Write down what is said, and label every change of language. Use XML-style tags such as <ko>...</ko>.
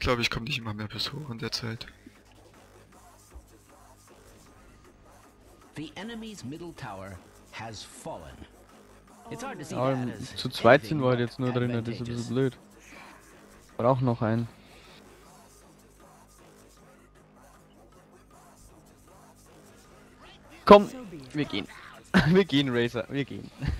<de>glaube, ich komme nicht immer mehr bis hoch in der Zeit.</de> <en>The enemy's middle tower has fallen. It's hard to see that as</en> <de>zu zweit sind wir jetzt nur drin, das ist ein bisschen blöd. Brauch noch einen. Komm, wir gehen. Wir gehen, Razor, wir gehen.</de>